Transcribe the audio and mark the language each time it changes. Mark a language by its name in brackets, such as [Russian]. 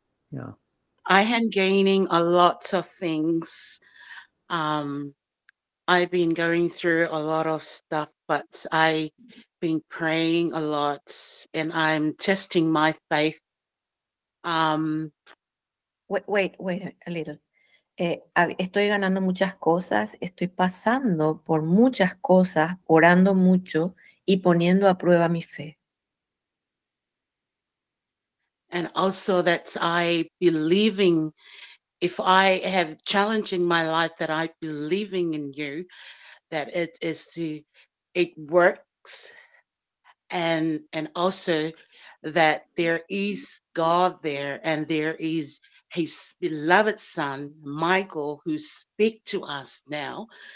[English] Yeah. I am gaining a lot of things. I've been going through a lot of stuff, but I've been praying a lot and I'm testing my faith. Wait a little. [Spanish] Estoy ganando muchas cosas, estoy pasando por muchas cosas, orando mucho y poniendo a prueba mi fe. [English] And also that I believing, if I have challenge in my life, that I believing in you, that it is the, it works, and also that there is God there, and there is His beloved son, Michael, who speak to us now.